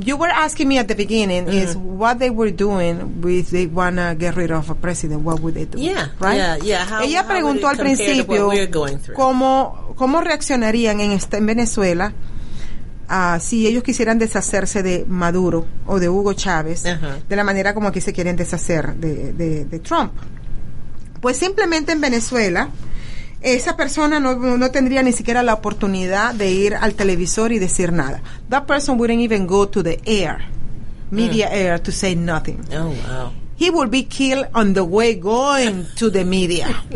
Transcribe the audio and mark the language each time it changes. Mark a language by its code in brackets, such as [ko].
[en] You were asking me at the beginning, mm-hmm. is what they were doing if they want to get rid of a president, what would they do? Yeah. Right? Yeah. [es] Ella preguntó al principio cómo reaccionarían en Venezuela si ellos quisieran deshacerse de Maduro o de Hugo Chávez, uh-huh. de la manera como aquí se quieren deshacer de Trump. Pues simplemente en Venezuela, esa persona no tendría ni siquiera la oportunidad de ir al televisor y decir nada. [en] That person wouldn't even go to the air, media air, to say nothing. Oh, wow. He would be killed on the way going to the media.